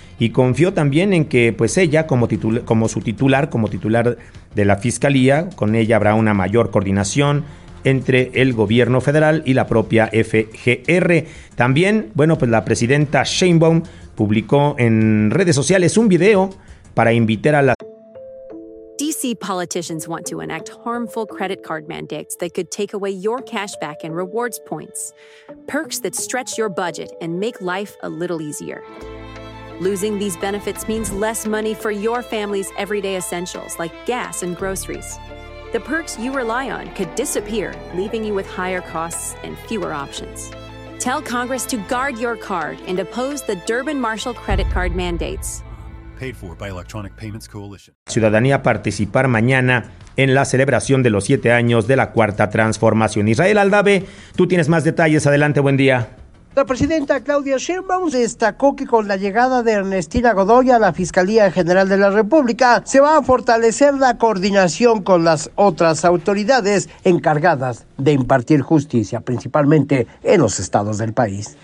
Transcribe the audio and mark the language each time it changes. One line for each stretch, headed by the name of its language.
Spanish: Y confió también en que ella, como titular de la Fiscalía, con ella habrá una mayor coordinación entre el gobierno federal y la propia FGR. También, la presidenta Sheinbaum publicó en redes sociales un video para invitar a la...
English: DC politicians want to enact harmful credit card mandates that could take away your cash back and rewards points. Perks that stretch your budget and make life a little easier. Losing these benefits means less money for your family's everyday essentials like gas and groceries. The perks you rely on could disappear, leaving you with higher costs and fewer options. Tell Congress to guard your card and oppose the Durbin-Marshall credit card mandates. Paid for by Electronic Payments Coalition.
Spanish: Ciudadanía participar mañana en la celebración de los 7 años de la Cuarta Transformación. Israel Aldave, tú tienes más detalles. Adelante, buen día. La presidenta Claudia Sheinbaum destacó que con la llegada de Ernestina Godoy a la Fiscalía General de la República se va a fortalecer la coordinación con las otras autoridades encargadas de impartir justicia, principalmente en los estados del país.